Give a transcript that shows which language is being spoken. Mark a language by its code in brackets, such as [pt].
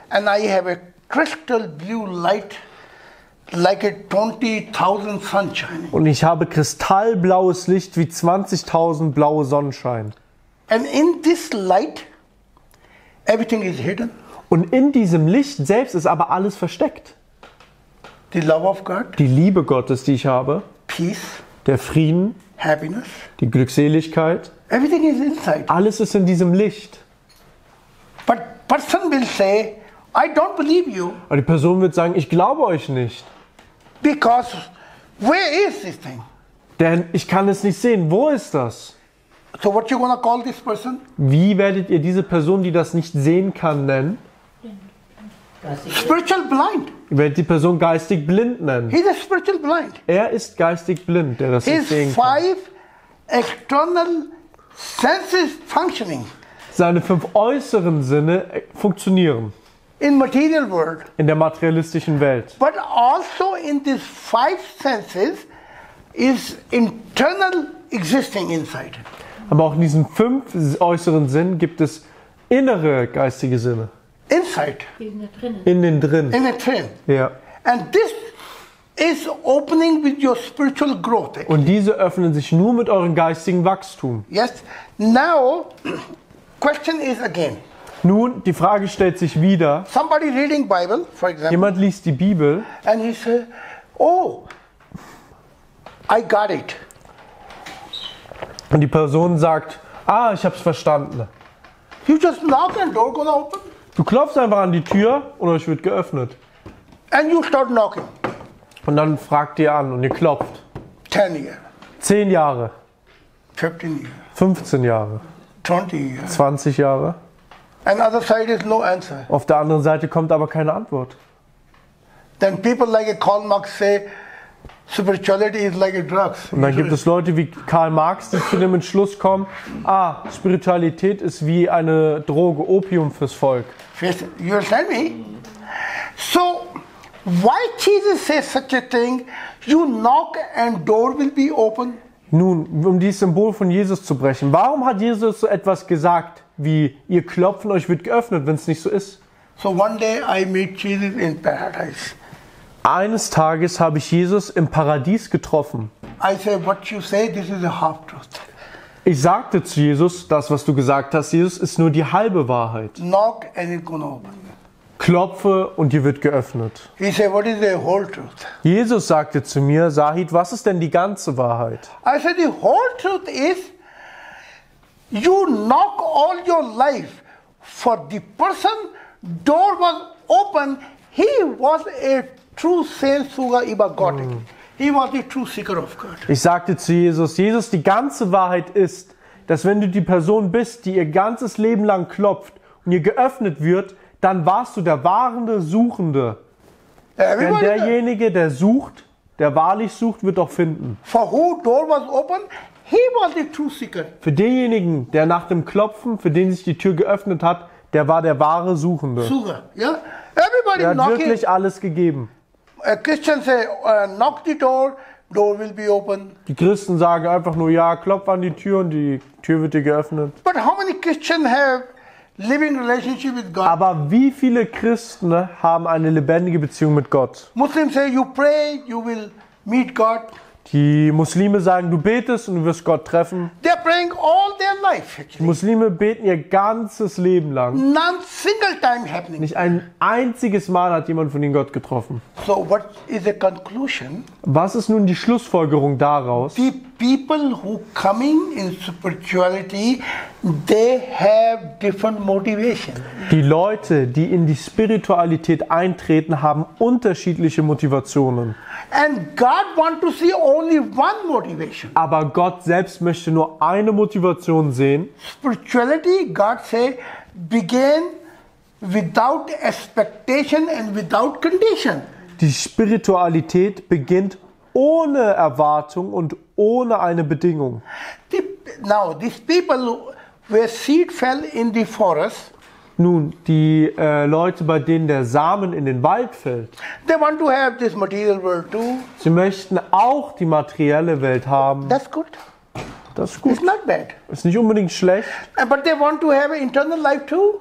[en] and I have a crystal blue light like a 20,000 sunshine. [de] Und ich habe kristallblaues Licht wie 20.000 blaue Sonnenschein. [en] And in this light everything is hidden. [de] Und in diesem Licht selbst ist aber alles versteckt. [en] The love of God. [de] Die Liebe Gottes, die ich habe. [en] Peace. [de] Der Frieden. [en] Happiness. [de] Die Glückseligkeit. [en] Everything is inside. [de] Alles ist in diesem Licht. [en] But person will say, I don't believe you. [de] Aber die Person wird sagen, ich glaube euch nicht. [en] Because where is this thing? [de] Denn ich kann es nicht sehen. Wo ist das? [en] So what you gonna call this person? [de] Wie werdet ihr diese Person, die das nicht sehen kann, nennen? [en] Spiritual blind. [de] Werdet die Person geistig blind nennen? [en] He is spiritual blind. [de] Er ist geistig blind, der das [en] His [de] nicht sehen kann. [en] Five external senses functioning. [de] Seine fünf äußeren Sinne funktionieren. [en] In material world. [de] In der materialistischen Welt. [en] But also in these five senses is internal existing inside. [de] Aber auch in diesen fünf äußeren Sinnen gibt es innere geistige Sinne. [en] Inside. [de] In den drin. In den drin. Ja. [en] And this is opening with your spiritual growth. [de] Und diese öffnen sich nur mit eurem geistigen Wachstum. [en] Yes. Now, question is again. [de] Nun, die Frage stellt sich wieder. [en] Somebody reading Bible, for example. [de] Jemand liest die Bibel. [en] And he says, oh, I got it. [de] Und die Person sagt, ah, ich habe es verstanden. [en] You just knock and door gonna open. [de] Du klopfst einfach an die Tür und euch wird geöffnet. [en] And you start knocking. [de] Und dann fragt ihr an und ihr klopft. [en] 10 years. [de] 10 Jahre. [en] 15 years. [de] 15 Jahre. [en] 20 years. [de] 20 Jahre. [en] And other side is no answer. [de] Auf der anderen Seite kommt aber keine Antwort. [en] Then people like a Karl Marx say, Spirituality is like a drug. [de] Und dann gibt es Leute wie Karl Marx, die zu dem Entschluss kommen, ah, Spiritualität ist wie eine Droge, Opium fürs Volk. [en] You understand me? So, why Jesus says such a thing, you knock and door will be open? [de] Nun, um dieses Symbol von Jesus zu brechen, warum hat Jesus so etwas gesagt, wie ihr klopfen, euch wird geöffnet, wenn es nicht so ist? [en] So one day I meet Jesus in paradise. [de] Eines Tages habe ich Jesus im Paradies getroffen. [en] I say, what you say, this is a half truth. [de] Ich sagte zu Jesus, das, was du gesagt hast, Jesus, ist nur die halbe Wahrheit. [en] Knock and it's gonna open. [de] Klopfe und dir wird geöffnet. [en] He say, what is the whole truth? [de] Jesus sagte zu mir, Zahid, was ist denn die ganze Wahrheit? [en] I say, the whole truth is, you knock all your life for the person, door was open, he was a True Saint Suga Iba God. He was the true seeker of God. [de] Ich sagte zu Jesus, Jesus, die ganze Wahrheit ist, dass wenn du die Person bist, die ihr ganzes Leben lang klopft und ihr geöffnet wird, dann warst du der wahrende Suchende. [en] Everybody [de] Denn derjenige, der sucht, der wahrlich sucht, wird auch finden. [en] For who door was open, he was the true seeker. [de] Für denjenigen, der nach dem Klopfen, für den sich die Tür geöffnet hat, der war der wahre Suchende. Sucher, ja? [en] Yeah? Everybody [de] der hat [en] knocking. [de] Wirklich alles gegeben. [en] A Christian say, knock the door, door will be open. [de] Die Christen sagen einfach nur, ja, klopf an die Tür und die Tür wird dir geöffnet. [en] But how many Christians have living relationship with God? [de] Aber wie viele Christen haben eine lebendige Beziehung mit Gott? [en] Muslims say, you pray, you will meet God. [de] Die Muslime sagen, du betest und du wirst Gott treffen. [en] They're praying all their life, actually. [de] Die Muslime beten ihr ganzes Leben lang. [en] None single time happening. [de] Nicht ein einziges Mal hat jemand von ihnen Gott getroffen. [en] So what is the conclusion? [de] Was ist nun die Schlussfolgerung daraus? [en] The people who coming in spirituality, they have different motivation. [de] Die Leute, die in die Spiritualität eintreten, haben unterschiedliche Motivationen. [en] And God want to see only one motivation. [de] Aber Gott selbst möchte nur eine Motivation sehen. [en] Spirituality, God say, begin without expectation and without condition. [de] Die Spiritualität beginnt ohne Erwartung und ohne eine Bedingung. [en] Now, these people where seed fell in the forest. [de] Nun, die Leute, bei denen der Samen in den Wald fällt. [en] They want to have this material world too. [de] Sie möchten auch die materielle Welt haben. [en] That's good. [de] Das ist gut. [en] It's not bad. [de] Ist nicht unbedingt schlecht. [en] But they want to have an internal life too.